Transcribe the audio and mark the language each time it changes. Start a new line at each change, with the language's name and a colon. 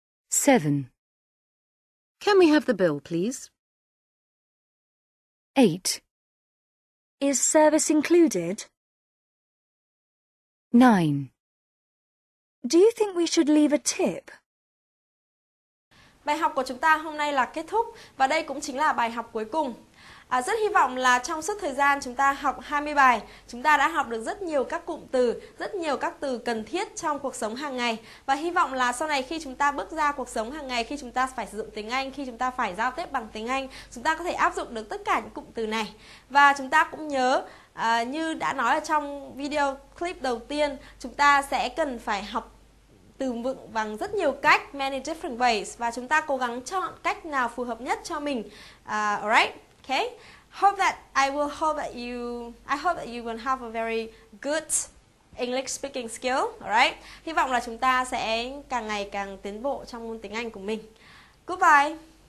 English: 7. Can we have the bill, please? 8. Is service included? 9. Do you think we should leave a tip?
Vietnamese: Bài học của chúng ta hôm nay là kết thúc và đây cũng chính là bài học cuối cùng. Rất hy vọng là trong suốt thời gian chúng ta học 20 bài, chúng ta đã học được rất nhiều các cụm từ, rất nhiều các từ cần thiết trong cuộc sống hàng ngày. Và hy vọng là sau này khi chúng ta bước ra cuộc sống hàng ngày, khi chúng ta phải sử dụng tiếng Anh, khi chúng ta phải giao tiếp bằng tiếng Anh, chúng ta có thể áp dụng được tất cả những cụm từ này. Và chúng ta cũng nhớ, như đã nói ở trong video clip đầu tiên, chúng ta sẽ cần phải học từ vựng bằng rất nhiều cách,
English: many different ways,
Vietnamese: và chúng ta cố gắng chọn cách nào phù hợp nhất cho mình.
English: Alright, okay. I hope that you will have a very good English speaking skill. Alright.
Vietnamese: Hy vọng là chúng ta sẽ càng ngày càng tiến bộ trong môn tiếng Anh của mình. Goodbye.